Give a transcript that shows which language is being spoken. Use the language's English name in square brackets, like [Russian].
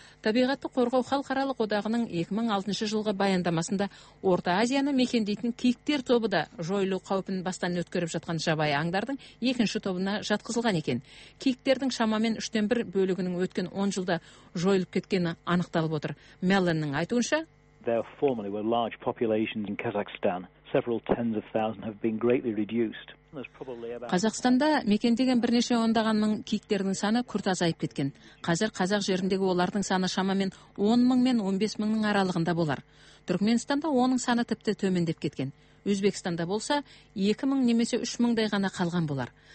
[Kazakh] Табиғатты қорғау халықаралық одағының 2006 жылғы баяндамасында Орта Азияны мекендейтін киіктер тобы да жойылу қаупін бастан өткеріп жатқан жабайы аңдардың екінші тобына жатқызылған екен. Киіктердің шамамен 3-тен 1 бөлігінің өткен 10 жылда жойылып кеткені анықталып отыр. Меллонның айтуынша, [English] there formerly were large populations in Kazakhstan. Several tens of thousands have been greatly reduced. [Kazakh] Қазақстанда мекендеген бірнеше ондаған мың киіктердің саны күрт азайып кеткен. Қазір Қазақ жеріндегі олардың саны шамамен 10 мың мен 15 мыңның аралығында болар. Түркменстанда оның саны тіпті төмендеп кеткен. Өзбекстанда болса 2 мың немесе 3 мыңдай ғана қалған болар.